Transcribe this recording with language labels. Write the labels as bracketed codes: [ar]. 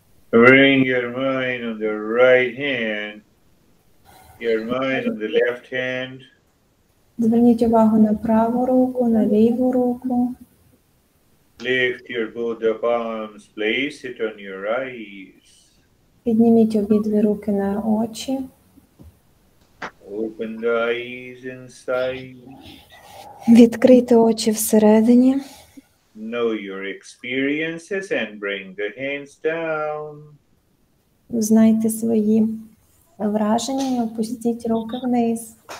[en] Bring your mind on the right hand, your mind on the left hand. [uk] Зверніть увагу на праву руку, на ліву руку. [en] Lift your both palms, place it on your eyes. [uk] Підніміть обидві руки на очі. [en] Open the eyes inside. [uk] Відкрити очі всередині. [en] Know your experiences and bring the hands down. [uk] Знайте свої враження і опустіть руки вниз.